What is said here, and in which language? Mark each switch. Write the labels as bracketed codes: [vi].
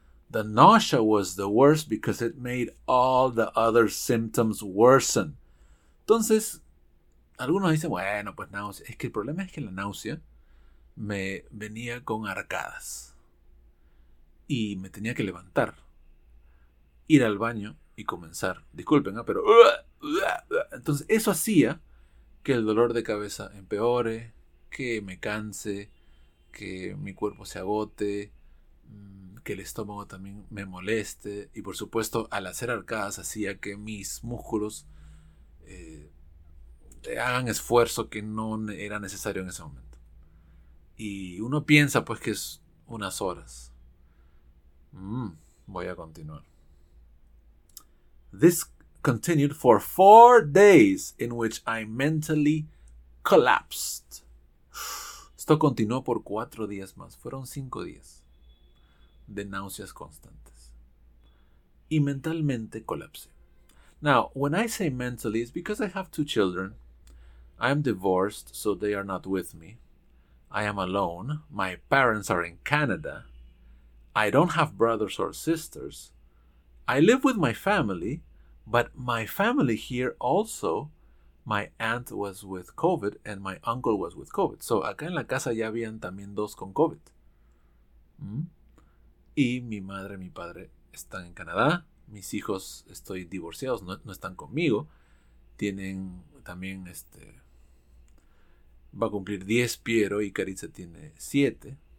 [en] The nausea was the worst because it made all the other symptoms worsen. [es] Entonces, algunos dicen, bueno, pues náusea. Es que el problema es que la náusea me venía con arcadas. Y me tenía que levantar, ir al baño y comenzar. Disculpen, ¿eh? Pero... Entonces, eso hacía que el dolor de cabeza empeore, que me canse, que mi cuerpo se agote, que el estómago también me moleste. Y por supuesto, al hacer arcadas, hacía que mis músculos hagan esfuerzo que no era necesario en ese momento. Y uno piensa, pues, que es unas horas. Voy a continuar. [en] This continued for 4 days in which I mentally collapsed. [es] Esto continuó por 4 días más. Fueron 5 días de náuseas constantes. y mentalmente colapsé. [en] Now, when I say mentally, it's because I have two children. I am divorced, so they are not with me. I am alone. My parents are in Canada. I don't have brothers or sisters. I live with my family, but my family here also, my aunt was with COVID and my uncle was with COVID. [es] So acá en la casa ya habían también dos con COVID. Y mi madre y mi padre están en Canadá. Mis hijos estoy divorciados, no están conmigo. Tienen también va a cumplir 10 Piero y Caritza tiene 7.